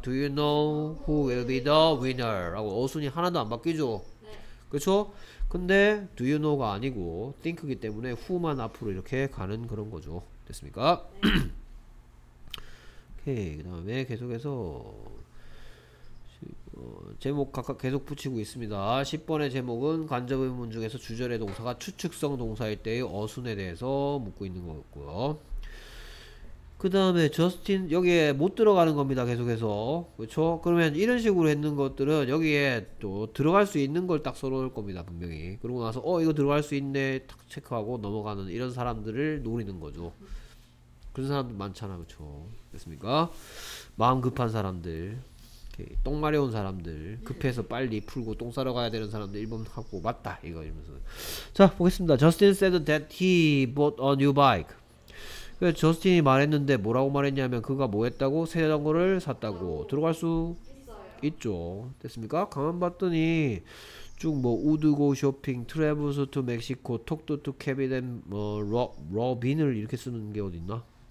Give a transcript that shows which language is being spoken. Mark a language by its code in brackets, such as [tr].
[en] Do you know who will be the winner? [ko] 라고 어순이 하나도 안 바뀌죠. 네. 그렇죠? 근데 [en] do you know [ko] 가 아니고 think이기 때문에 who만 앞으로 이렇게 가는 그런 거죠. 됐습니까? 네. 오케이. 그 다음에 계속해서 제목 각각 계속 붙이고 있습니다. 10번의 제목은 간접 의문 중에서 주절의 동사가 추측성 동사일 때의 어순에 대해서 묻고 있는 거였고요. 그 다음에 저스틴 여기에 못 들어가는 겁니다. 계속해서. 그렇죠? 그러면 이런 식으로 했는 것들은 여기에 또 들어갈 수 있는 걸 딱 써놓을 겁니다. 분명히. 그러고 나서 이거 들어갈 수 있네 탁 체크하고 넘어가는 이런 사람들을 노리는 거죠. 그런 사람들 많잖아. 그렇죠? 됐습니까? 마음 급한 사람들. 똥 마려운 사람들, 급해서 빨리 풀고 똥 싸러 가야 되는 사람들 1번 하고 맞다 이거 이러면서. 자 보겠습니다. [en] Justin said that he bought a new bike. [ko] 그래서 저스틴이 말했는데 뭐라고 말했냐면 그가 뭐 했다고? 새 자전거를 샀다고. 들어갈 수 있어요. 있죠. 됐습니까? 가만 봤더니 쭉 뭐 [en] would go shopping, travels to Mexico, talk to Kevin and Robin [ko] 을 이렇게 쓰는 게 어디 있나?